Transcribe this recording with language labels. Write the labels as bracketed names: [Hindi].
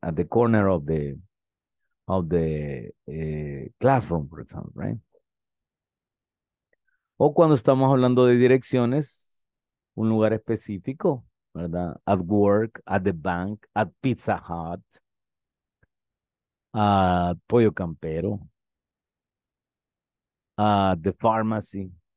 [English] At the corner of the classroom, for example, right? [Spanish] O cuando estamos hablando de direcciones, un lugar específico, ¿verdad? [English] At work, at the bank, at Pizza Hut, at Pollo Campero, at the pharmacy.